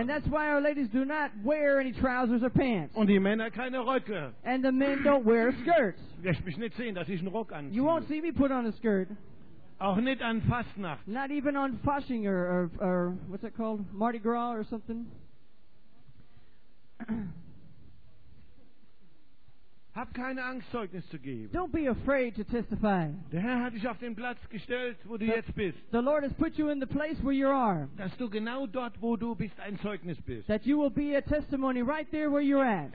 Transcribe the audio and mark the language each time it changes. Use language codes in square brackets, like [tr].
[en] And that's why our ladies do not wear any trousers or pants. [de] Und die Männer keine Röcke. [en] And the men don't wear skirts. [de] Wirst mich nicht sehen, dass ich einen Rock anziehe. [en] You won't see me put on a skirt. [de] Auch nicht an Fastnacht. [en] Not even on Fasching or what's it called? Mardi Gras or something. [de] Hab keine Angst, Zeugnis zu geben. [en] Don't be afraid to testify. [de] Der Herr hat dich auf den Platz gestellt, wo du jetzt bist. [en] The Lord has put you in the place where you are. [de] Dass du genau dort, wo du bist, ein Zeugnis bist. [en] That you will be a testimony right there where you're at.